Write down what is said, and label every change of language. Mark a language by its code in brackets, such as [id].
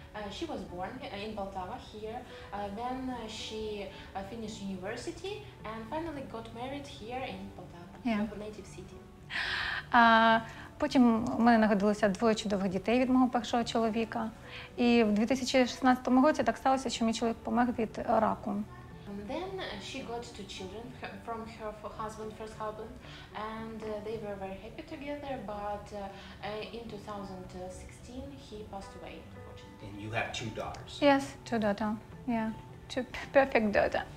[en] She was born in Poltava here, then she finished university and finally got married here in Poltava, yeah. Native city. [uk] Потім у мене народилося двоє чудових дітей від мого першого чоловіка. І в 2016 році так сталося, що мій чоловік помер від раку. [en] Then she got two children from her first husband, and they were very happy together, but in 2016 he passed away. And you have two daughters? Yes, two daughters. Yeah, two perfect daughters.